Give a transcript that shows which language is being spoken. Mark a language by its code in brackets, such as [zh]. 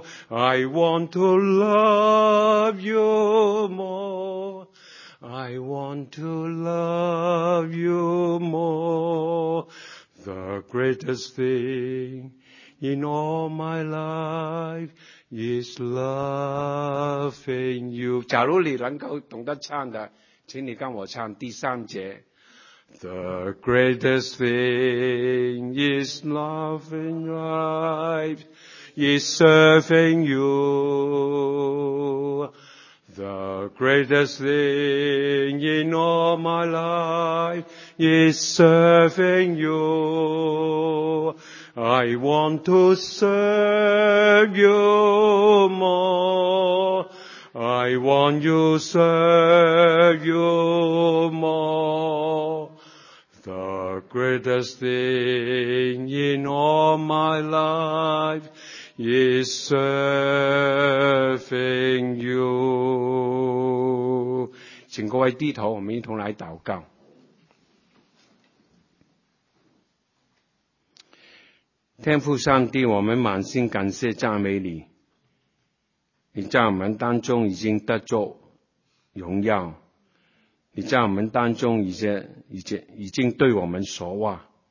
[en] I want to love you more. I want to love you more. The greatest thing in all my life is loving you. [zh] 假如你能够懂得唱的，请你跟我唱第三节。 [en] The greatest thing is loving life, is serving you. The greatest thing in all my life is serving you. I want to serve you more. I want you to serve you more. The greatest thing in all my life is serving you. [zh] 请各位低头，我们一同来祷告。天父上帝，我们满心感谢赞美你。你在我们当中已经得着荣耀，你在我们当中已经对我们说话。